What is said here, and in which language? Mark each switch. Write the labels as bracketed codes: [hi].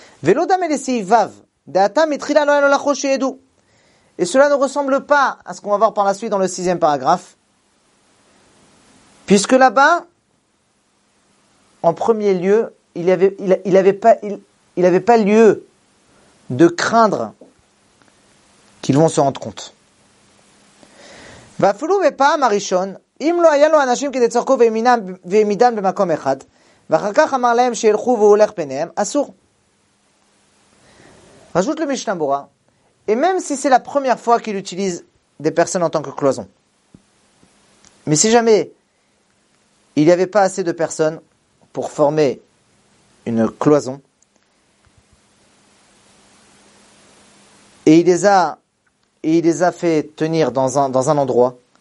[fr] Et cela ne ressemble pas à ce qu'on va voir par la suite dans le sixième paragraphe. Puisque là-bas, en premier lieu, il n'avait pas lieu de craindre qu'ils vont se rendre compte. [he] ואפילו בפעם הראשון, אם לא היה לו אנשים כדי צורכו ועמידם במקום אחד, ואחר כך אמר להם שילכו והוא הולך ביניהם, אסור. רשות למשנה ברורה, [fr] et même si c'est la première fois qu'il utilise des personnes en tant que cloison, mais si jamais il n'y avait pas assez de personnes pour former une cloison, et il les a fait tenir dans un endroit.